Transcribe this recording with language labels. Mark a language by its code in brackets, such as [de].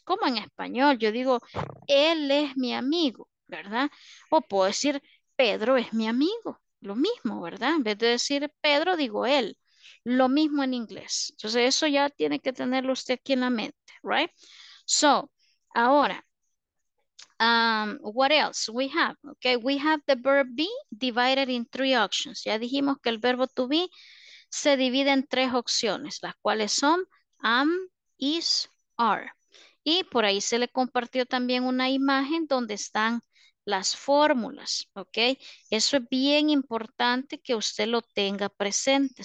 [es] Como en español, yo digo, él es mi amigo, ¿verdad? O puedo decir, Pedro es mi amigo. Lo mismo, ¿verdad? En vez de decir Pedro, digo él. Lo mismo en inglés. Entonces, eso ya tiene que tenerlo usted aquí en la mente, ¿right? [en] So, [es] ahora, [en] what else we have? Okay, we have the verb be divided in 3 options. [es] Ya dijimos que el verbo to be se divide en 3 opciones, las cuales son am, is, are. Y por ahí se le compartió también una imagen donde están las fórmulas, ¿ok? Eso es bien importante que usted lo tenga presente.